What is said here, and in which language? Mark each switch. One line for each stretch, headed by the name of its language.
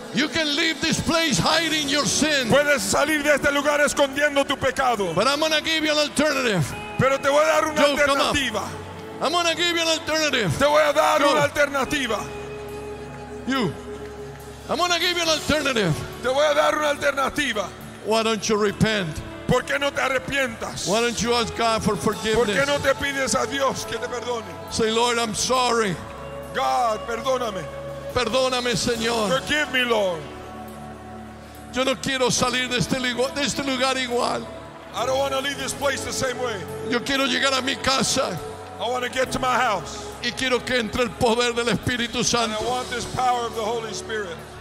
English: You can leave this place hiding your sin.
Spanish: Puedes salir de este lugar escondiendo tu pecado.
English: But I'm going to give you an alternative.
Spanish: Pero te voy a dar una alternativa.
English: I'm going to give you an alternative.
Spanish: Te voy a dar una alternativa.
English: You. I'm going to give you an alternative.
Spanish: Te voy a dar una alternativa.
English: Why don't you repent?
Spanish: ¿Por qué no te arrepientas?
English: Why don't you ask God for forgiveness?
Spanish: ¿Por qué no te pides a Dios que te perdone?
English: Say, Lord, I'm sorry.
Spanish: God, perdóname. Perdóname, Señor.
English: Forgive me, Lord.
Spanish: Yo no quiero salir de este lugar igual.
English: I don't want to leave this place the same way.
Spanish: Yo quiero llegar a mi casa.
English: I want to get to my house.
Spanish: Y quiero que entre el poder del Espíritu Santo.
English: And I want this power of the Holy Spirit.